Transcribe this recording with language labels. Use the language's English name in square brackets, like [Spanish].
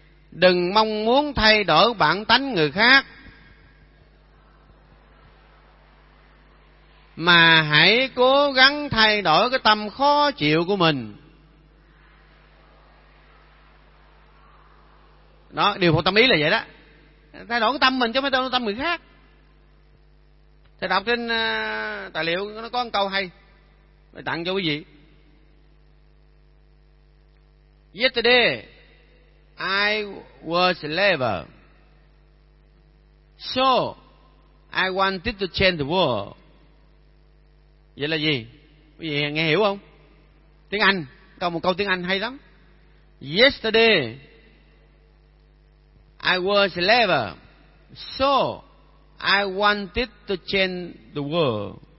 [Vietnamese] Đừng mong muốn thay đổi bản tánh người khác, mà hãy cố gắng thay đổi cái tâm khó chịu của mình. Đó, điều phục tâm ý là vậy đó. Thay đổi cái tâm mình chứ không phải thay đổi tâm người khác. Thầy đọc trên tài liệu nó có một câu hay, thầy tặng cho quý vị. [English] Yesterday I was clever, so I wanted to change the world. [Vietnamese] Vậy là gì? Quý vị nghe hiểu không? Tiếng Anh, câu một câu tiếng Anh hay lắm. [English] Yesterday I was clever, so I wanted to change the world.